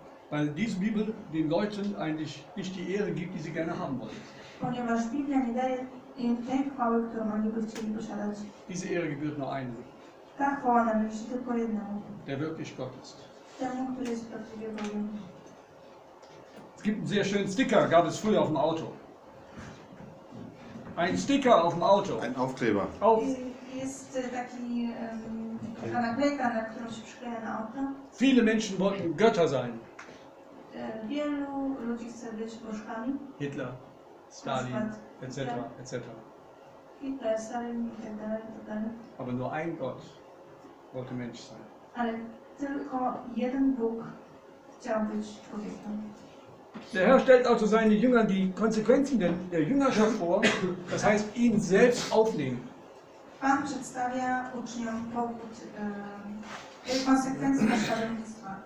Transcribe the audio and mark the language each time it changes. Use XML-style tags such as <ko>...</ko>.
<de>Weil diese Bibel den Leuten eigentlich nicht die Ehre gibt, die sie gerne haben wollen.</de> <pl>Ponieważ Biblia nie daje im tej chwały, którą oni by chcieli posiadać.</pl> <de>Diese Ehre gebührt nur einem.</de> <pl>Ta chwała należy tylko jednemu.</pl> <de>Der wirklich Gott ist.</de> <pl>Temu, który jest prawdziwie Bogiem.</pl> <de>Es gibt einen sehr schönen Sticker, gab es früher auf dem Auto. Ein Sticker auf dem Auto. Ein Aufkleber.</de> <pl>Jest taki naklejka, na którą się przykleja na auto.</pl> <de>Viele Menschen wollten Götter sein.</de> <pl>Wielu ludzi chce być bożkami.</pl> <de>Hitler, Stalin, etc., etc.</de> <pl>Hitler, Stalin, etc.</pl> <de>Aber nur ein Gott wollte Mensch sein.</de> <pl>Ale tylko jeden Bóg chciał być człowiekiem.</pl> <de>Der Herr stellt also seinen Jüngern die Konsequenzen der Jüngerschaft vor, das heißt, ihn selbst aufnehmen.</de> <pl>Pan przedstawia uczniom powód</pl> <de>Konsequenzen des Schadens.</de>